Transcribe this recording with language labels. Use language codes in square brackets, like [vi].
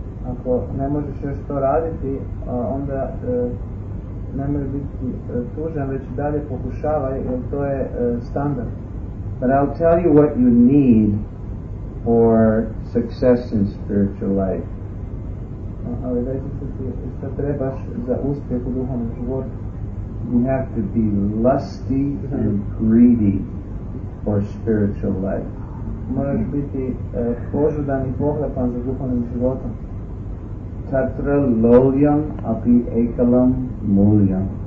[hr] Ako ne možeš još to raditi, onda nemoj biti tužan, već dalje pokušavaj, jer to je standard. [en] But I'll tell you what you need for success in spiritual life. [hr] Ali dajte ti šta trebaš za uspjeh u duhovnom životu. [en] You have to be lusty and greedy for spiritual life. [hr] Moraš biti požudan i pohlepan za duhovnim životom. [sa] Tatra lolyam api ekalam mulyam.